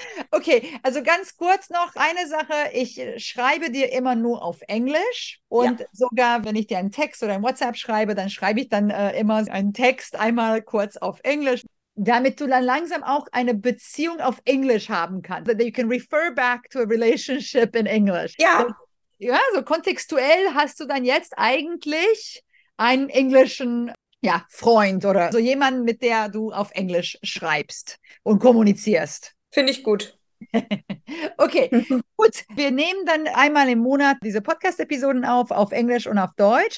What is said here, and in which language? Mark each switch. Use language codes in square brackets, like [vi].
[de] Okay, also ganz kurz noch eine Sache. Ich schreibe dir immer nur auf Englisch und sogar wenn ich dir einen Text oder ein WhatsApp schreibe, dann schreibe ich dann immer einen Text einmal kurz auf Englisch, damit du dann langsam auch eine Beziehung auf Englisch haben kannst. [en] So that you can refer back to a relationship in English. [de] So, Ja. ja, so kontextuell hast du dann jetzt eigentlich einen englischen, ja, Freund oder so jemanden, mit der du auf Englisch schreibst und kommunizierst. Finde ich gut. Okay, gut. Wir nehmen dann einmal im Monat diese Podcast-Episoden auf Englisch und auf Deutsch.